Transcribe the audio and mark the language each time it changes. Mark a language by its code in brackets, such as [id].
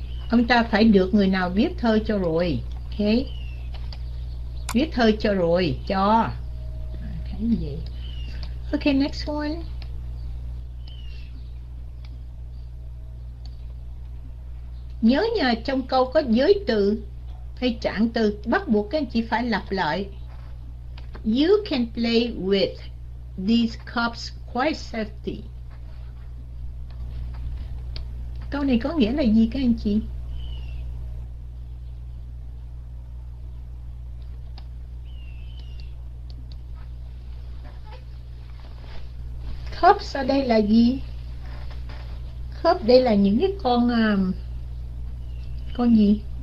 [vi] Ông ta phải được người nào viết thơ cho rồi. Ok. Viết thơ cho rồi, cho. [en] Okay, next one. [vi] Nhớ nhà trong câu có giới từ hay trạng từ bắt buộc các anh chị phải lặp lại. [en] You can play with these cups quite safely. [vi] Câu này có nghĩa là gì các anh chị? Cups ở đây là gì? Cups đây là những cái con gì?